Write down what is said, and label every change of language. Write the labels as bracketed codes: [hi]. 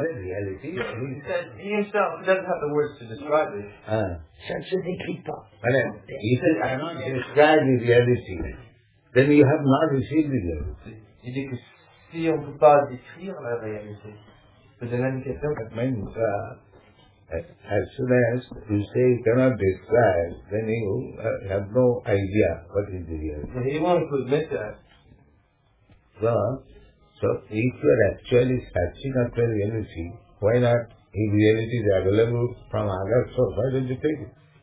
[en] He himself doesn't have the words to describe it. [fr] Ça ne se décrit pas. [en] And then, he says, I'm not describing the reality. Then you have not received the reality. [fr] Il dit que si on ne peut pas décrire la réalité, c'est la même question que même ça. [en] As soon as you say you cannot describe, then you have no idea what is the reality. He wants to admit that. So if you are actually searching after reality, why not, if reality is available from other source, why don't you take it?